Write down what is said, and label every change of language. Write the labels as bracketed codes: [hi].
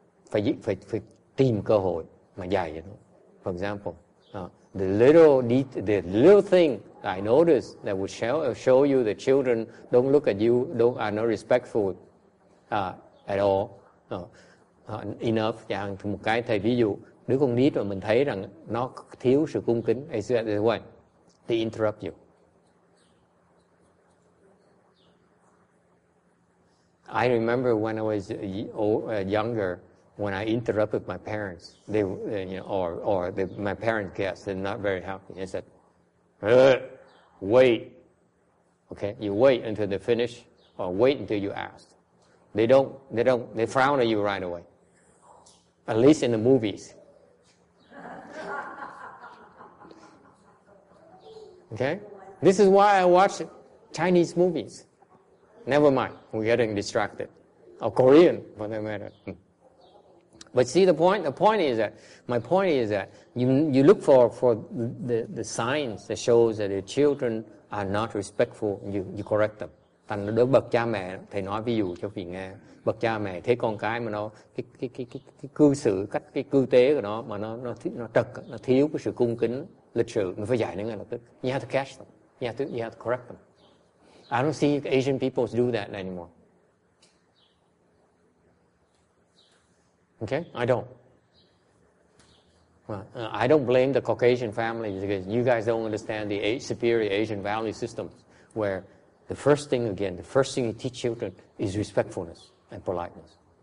[vi] Phải tìm cơ hội mà dạy. [en] For example, the little thing I noticed that would show you the children don't look at you, are not respectful at all. Enough. [vi] Một cái thầy ví dụ, đứa con nít mà mình thấy rằng nó thiếu sự cung kính, [en] is that the one? They interrupt you. I remember when I was younger, when I interrupted my parents, my parents guessed, they're not very happy. They said, wait. Okay, you wait until they finish, or wait until you ask. They frown at you right away. At least in the movies. Okay? This is why I watch Chinese movies. Never mind, we're getting distracted. Or Korean, for that matter. But see the point? My point is that you look for the signs that shows that your children are not respectful, you correct them. [vi] Thành đối với bậc cha mẹ, thầy nói ví dụ cho vị nghe, bậc cha mẹ thấy con cái mà nó cái cư xử, cách cái cư tế của nó mà nó trật, nó thiếu cái sự cung kính lịch sự, mình phải dạy nó ngay lập tức. [en] You have to catch them. You have to correct them. I don't see Asian people do that anymore. Okay, I don't. I don't blame the Caucasian family because you guys don't understand the superior Asian value system, where the first thing you teach children is respectfulness and politeness.